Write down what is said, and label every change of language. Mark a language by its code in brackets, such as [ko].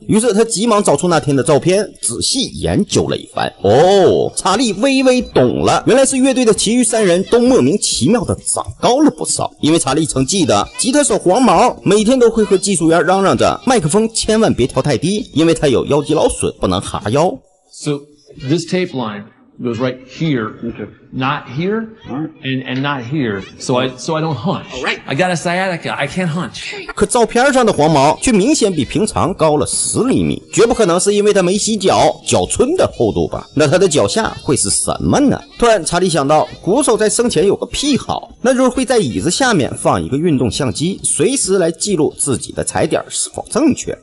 [zh] 于是他急忙找出那天的照片，仔细研究了一番。哦，查理微微懂了，原来是乐队的其余三人都莫名其妙的长高了不少。因为查理曾记得，吉他手黄毛每天都会和技术员嚷嚷着，麦克风千万别调太低，因为他有腰肌劳损，不能哈腰。 [en] So this tape line goes right here, not here, and not here. So I don't hunch. All right, I got a sciatica. I can't hunch. [zh] 可照片上的黄毛却明显比平常高了十厘米，绝不可能是因为他没洗脚，脚皴的厚度吧？那他的脚下会是什么呢？突然，查理想到，鼓手在生前有个癖好，那就是会在椅子下面放一个运动相机，随时来记录自己的踩点是否正确。